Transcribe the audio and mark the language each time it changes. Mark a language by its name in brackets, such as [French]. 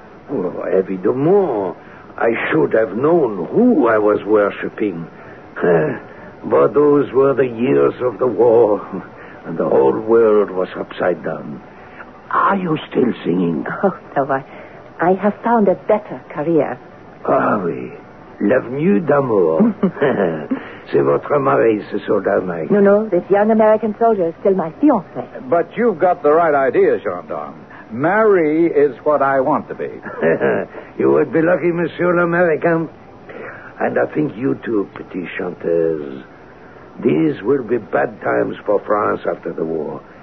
[English] Well, evidemment, I should have known who I was worshipping. But those were the years of the war, and the whole world was upside down. Are you still singing? Oh, no, I have found a better career. [French] Ah, oui. L'avenue d'amour. C'est votre mari, ce soldat, Mike. [English] No, this young American soldier is still my fiancé. But you've got the right idea, gendarme. Marry is what I want to be. You would be lucky, Monsieur l'American. And I think you too, [French] petite chanteuse. [English] These will be bad times for France after the war.